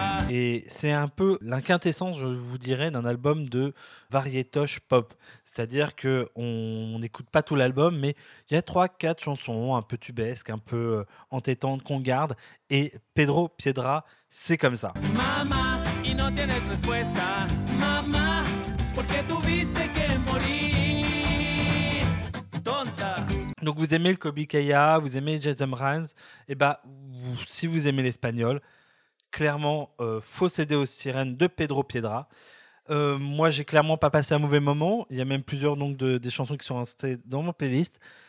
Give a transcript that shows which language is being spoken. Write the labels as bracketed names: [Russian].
[French] Et c'est un peu la quintessence, je vous dirais, d'un album de variétoche pop. C'est-à-dire qu'on n'écoute pas tout l'album, mais il y a 3-4 chansons un peu tubesques, un peu entêtantes qu'on garde. Et Pedro Piedra, c'est comme ça. [Spanish] Mama, y no tienes respuesta. Mama, porque tuviste que morir. [French] Donc vous aimez le Kobe Kaya, vous aimez Jason Rhymes, et bah vous, si vous aimez l'espagnol, clairement, faut céder aux sirènes de Pedro Piedra. Moi, j'ai clairement pas passé un mauvais moment. Il y a même plusieurs donc des chansons qui sont restées dans mon playlist.